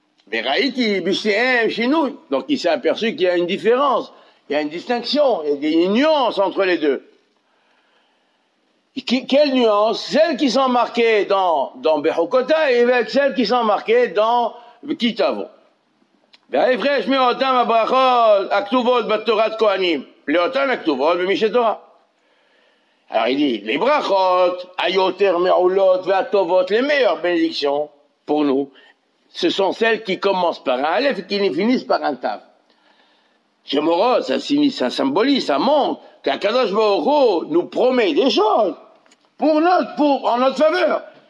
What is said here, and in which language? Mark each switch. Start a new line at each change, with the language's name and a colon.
French: Mais Raïti, Bichéem, Chinoui. Donc, il s'est aperçu qu'il y a une différence, il y a une distinction, il y a une nuance entre les deux. Quelle nuance? Celles qui sont marquées dans Bechokota et avec celles qui sont marquées dans Kitavo.
Hebrew: והפרש מאותם הברכות הכתובות בתורת כהנים לאותן הכתובות במשנה תורה.
French: Alors il dit, les brachot,
Hebrew: היותר מעולות והטובות,
French: les meilleures bénédictions pour nous, ce sont celles qui commencent par un aleph et qui finissent par un taf. Shemorot, ça symbolise, ça montre qu'Akadosh Baruch Hu nous promet des choses en notre faveur.